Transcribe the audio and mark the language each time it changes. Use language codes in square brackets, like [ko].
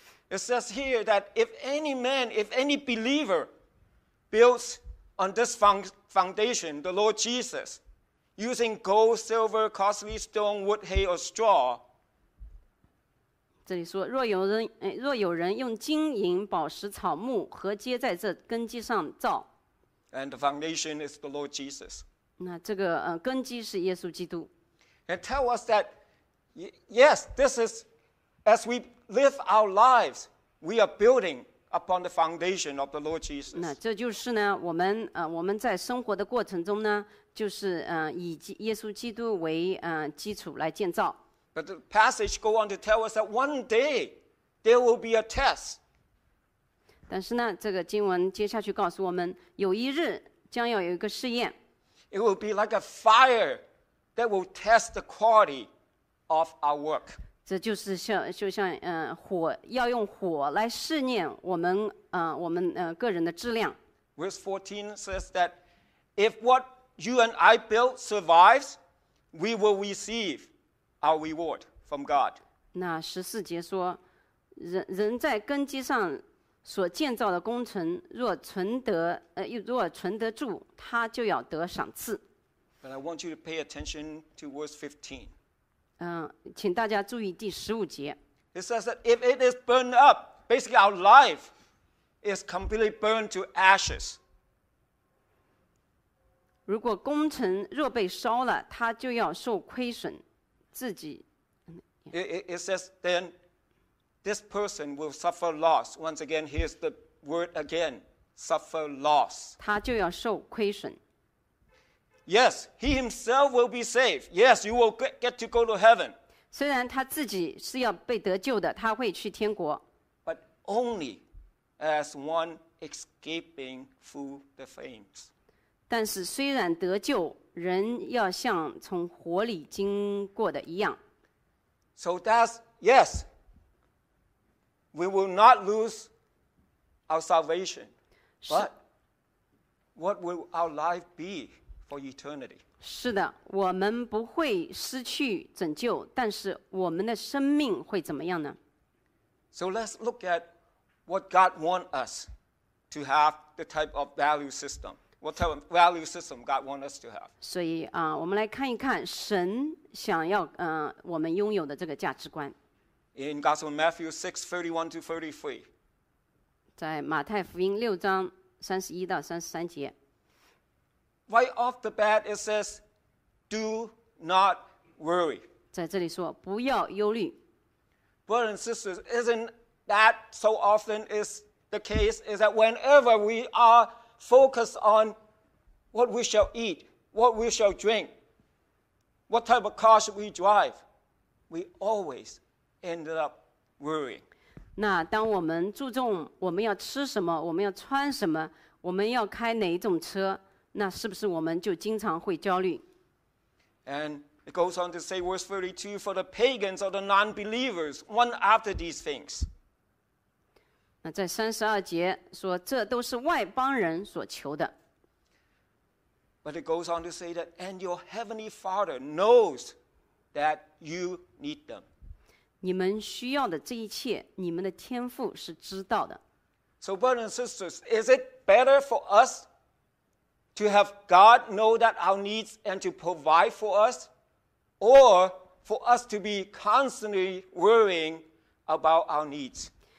[en] It says here that if any man, if any believer builds on this foundation, the Lord Jesus, using gold, silver, costly stone, wood, hay, or straw. [zh] 这里说，若有人用金银、宝石、草木和接在这根基上造。 [en] And the foundation is the Lord Jesus. [zh] 那这个根基是耶稣基督。 [en] And tell us that, yes, this is, as we live our lives, we are building upon the foundation of the Lord Jesus. [zh] 那这就是呢，我们在生活的过程中呢，就是以耶稣基督为基础来建造。 [en] But the passage goes on to tell us that one day there will be a test. [zh] 但是呢，这个经文接下去告诉我们，有一日将要有一个试验。 [en] It will be like a fire. That will test the quality of our work. [zh] 这就是就像火要用火来试验我们个人的质量。 [en] Verse 14 says that if what you and I built survives, we will receive our reward from God. [zh] 那十四节说，人在根基上所建造的工程，若存得住，他就要得赏赐。 [en] But I want you to pay attention to verse 15. [zh] 请大家注意第十五节。 [en] It says that if it is burned up, basically our life is completely burned to ashes. [zh] 如果工程若被烧了，它就要受亏损，自己。 [en] It says then, this person will suffer loss. Once again, here's the word again, suffer loss. [zh] 它就要受亏损。 [en] Yes, he himself will be saved. Yes, you will get to go to heaven. [zh] 虽然他自己是要被得救的，他会去天国。 [en] But only as one escaping through the flames. [zh] 但是虽然得救，人要像从火里经过的一样。 [en] So that's, yes, we will not lose our salvation. But what will our life be? For eternity. [zh] 是的，我们不会失去拯救，但是我们的生命会怎么样呢？ [en] So let's look at what God wants us to have, the type of value system. What type of value system God wants us to have? [zh] 所以啊，我们来看一看神想要我们拥有的这个价值观。 [en] In Gospel of Matthew 6:31-33. [zh] 在马太福音六章三十一到三十三节。 [en] Right off the bat, it says, "Do not worry." [zh] 在这里说不要忧虑。 [en] Brothers and sisters, isn't that so often is the case? Is that whenever we are focused on what we shall eat, what we shall drink, what type of car should we drive, we always end up worrying. [zh] 那当我们注重我们要吃什么，我们要穿什么，我们要开哪一种车？那是不是我们就经常会焦虑？ [en] And it goes on to say, verse 32, for the pagans or the non-believers, one after these things. [zh] 那在三十二节说，这都是外邦人所求的。 [en] But it goes on to say that, and your heavenly Father knows that you need them. [zh] 你们需要的这一切，你们的天父是知道的。 [en] So, brothers and sisters, is it better for us to have God know that our needs and to provide for us, or for us to be constantly worrying about our needs?